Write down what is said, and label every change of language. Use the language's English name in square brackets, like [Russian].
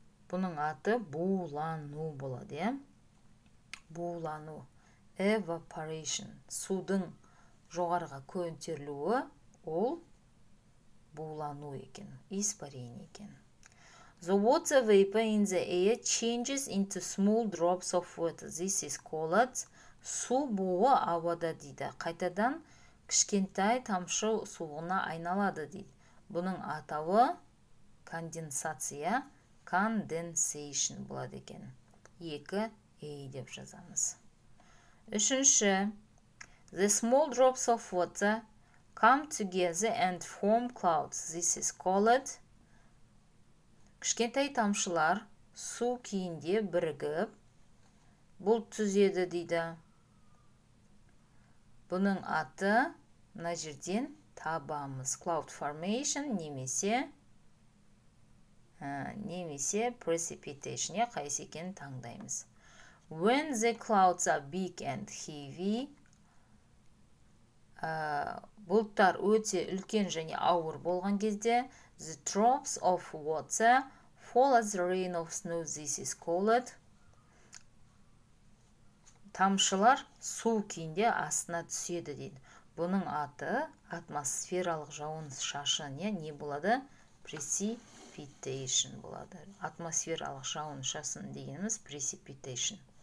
[Kazakh] Бұның аты булану болады, е? Булану. Evaporation. Судың жоғарыға көтерілуі, ол булану екен, испарение екен. [English] The water vapor in the air changes into small drops of water. This is called. [Kazakh] Су буы ауада, дейді. Қайтадан кішкентай тамшы суына айналады, дейді. Бұның атауы конденсация, condensation болады екен. Екі A деп жазамыз. Үшінші. [English] The small drops of water come together and form clouds. This is called. [Kazakh] Кішкентай тамшылар су күйінде бірігіп, бұл түзеді, дейді. Бұның аты мына жерден табамыз. Cloud formation немесе precipitation, не қайсы екенін таңдаймыз. [English] When the clouds are big and heavy, [Kazakh] бұлттар өте үлкен және ауыр болған кезде, [English] the drops of water fall as rain of snow. This is called. [Kazakh] Тамшылар су күйінде астына түседі, дейді. Бұның аты атмосфералық жауын шашын, не болады? Precipitation болады. Атмосфералық жауын шашын дегеніміз precipitation.